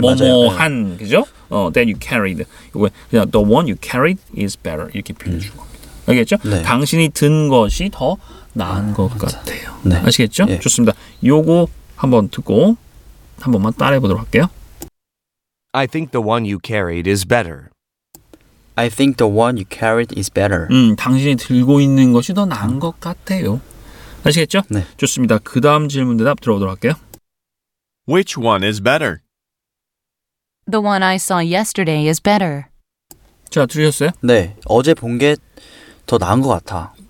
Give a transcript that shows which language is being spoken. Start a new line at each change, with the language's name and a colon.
Korean: 뭐뭐한 네. 그죠?
English: That you carried.
Korean: 이거 그냥
English: the one you carried is better
Korean: 이렇게 비유해 준 겁니다. 알겠죠? 네. 당신이 든 것이 더 나은 것 같아요. 네. 아시겠죠? 네. 좋습니다. 요거 한번 듣고 한번만 따라해 보도록 할게요.
English: I think the one you carried is better. I think the one you carried is better.
Korean: 당신이 들고 있는 것이 더 나은 것 같아요. 아시겠죠? 네. 좋습니다. 그 다음 질문 대답 들어보도록 할게요.
English: Which one is better? The one I saw yesterday is better.
Korean: 자, 들으셨어요? 네. 어제 본 게 더 나은 것 같아.